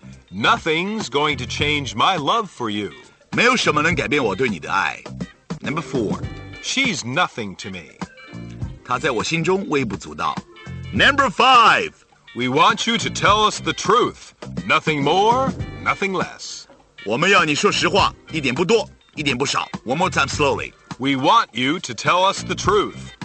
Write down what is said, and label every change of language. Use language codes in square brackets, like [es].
[en] Nothing's going to change my love for you. [zh] 没有什么能改变我对你的爱。 [en] Number four. She's nothing to me. [zh] 她在我心中微不足道。 [en] Number five. We want you to tell us the truth. Nothing more, nothing less. [zh] 我们要你说实话，一点不多，一点不少。 [en] One more time slowly. We want you to tell us the truth.